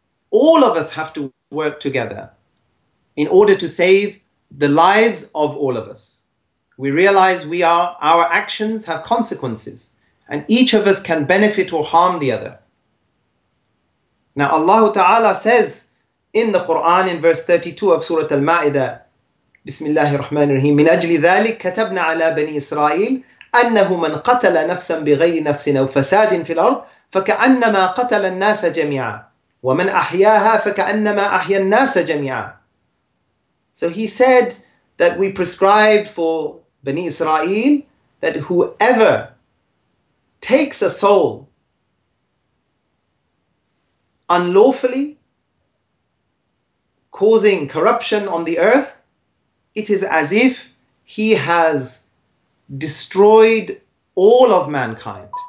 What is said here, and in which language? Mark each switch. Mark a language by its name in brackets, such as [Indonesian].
[English] All of us have to work together in order to save the lives of all of us. We realize our actions have consequences and each of us can benefit or harm the other. Now Allah Ta'ala says in the Quran in verse 32 of Surah Al-Ma'idah, [Arabic] بسم الله الرحمن الرحيم من أجل ذلك كتبنا على بني إسرائيل أنه من قتل نفسا بغير نفس أو فساد في الأرض فكأنما قتل الناس جميعا ومن أحياها فكأنما أحيا الناس جميعا. [English] So he said that we prescribed for Bani Israel that whoever takes a soul unlawfully, causing corruption on the earth, it is as if he has destroyed all of mankind.